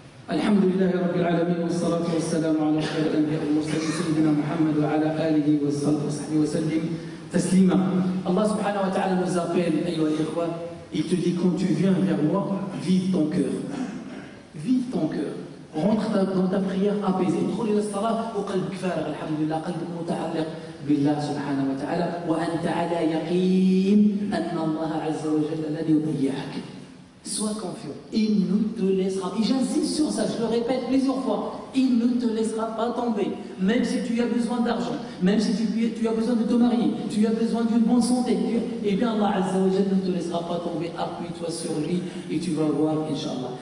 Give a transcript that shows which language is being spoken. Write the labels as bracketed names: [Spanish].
[Arabic] الحمد لله رب العالمين والصلاة والسلام على خير الأنبياء والمرسلين سيدنا محمد وعلى آله وصحبه وسلم تسليما. الله سبحانه وتعالى [French] nous appelle, [Arabic] أيها الإخوة, [French] il te dit quand tu viens vers moi, vive ton cœur. Vive ton cœur. Rentre dans ta prière apaisée. [Arabic] دخل إلى الصلاة وقلبك فارغ الحمد لله قلبك متعلق بالله سبحانه وتعالى وأنت على يقين أن الله عز وجل الذي يضيعك. [French] Sois confiant, il ne te laissera pas, et j'insiste sur ça, je le répète plusieurs fois, il ne te laissera pas tomber, même si tu as besoin d'argent, même si tu as besoin de te marier, tu as besoin d'une bonne santé, et bien Allah Azza wa Jalla ne te laissera pas tomber, appuie-toi sur lui et tu vas voir, Inch'Allah.